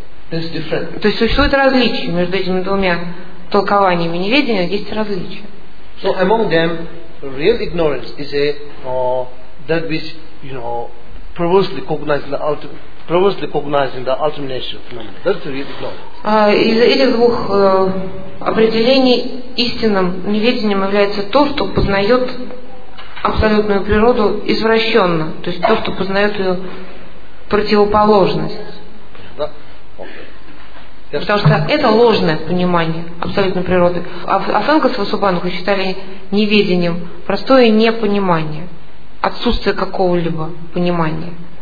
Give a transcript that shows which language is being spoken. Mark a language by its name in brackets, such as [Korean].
[Russian] То есть существует различие между этими двумя толкованиями неведения, есть различие. [English] So among them, real ignorance is a that which, you know, perversely cognizes the ultimate. Previously cognizing the ultimate nature phenomenon. That's the real ignorance. [Russian] Из этих двух определений истинным неведением является то, что познает абсолютную природу извращенно, то есть то, что познает ее противоположность. Да? [English] Okay. Yes. [Russian] Потому что это ложное понимание абсолютной природы. Асанга с Васубандху считали неведением простое непонимание, отсутствие какого-либо понимания.